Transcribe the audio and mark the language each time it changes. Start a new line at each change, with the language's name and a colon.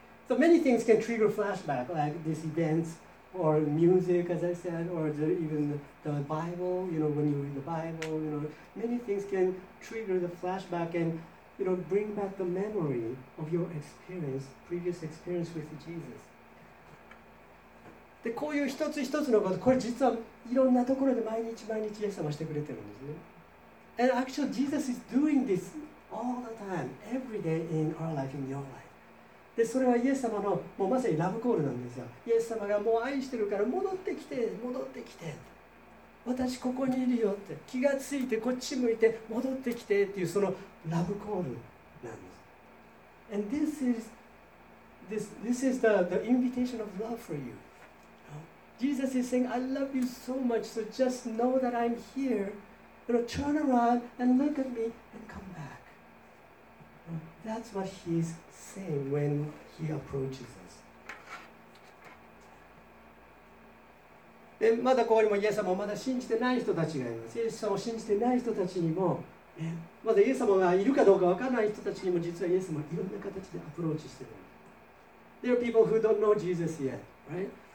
English: So many things can trigger flashback, like these events or music, as I said, or the, even the Bible, you know, when you read the Bible, you know, many things can trigger the flashback andYou know, bring back the memory of your experience, previous experience with Jesus.
Japanese: で、こういう一つ一つのこと、これ実はいろんなところで毎日毎日イエス様してくれてるんですね。
English: And actually, Jesus is doing this all the time, every day in our life, in your life.
Japanese: で、それはイエス様のもうまさにラブコールなんですよ。イエス様がもう愛してるから戻ってきて、戻ってきて。私ここにいるよって気がついてこっち向いて戻ってきてっていう、そのラブコールなんです。
English: And this is the invitation of love for you. Jesus is saying I love you so much, so just know that I'm here, you know, turn around and look at me and come back. That's what he's saying when he approaches us.
Japanese: で、まだここにもイエス様をまだ信じてない人たちがいます。イエス様を信じてない人たちにも、まだイエス様がいるかどうか分からない人たちにも、実はイエス様はいろんな形でアプローチしている。
English: There are people who don't know Jesus yet, right?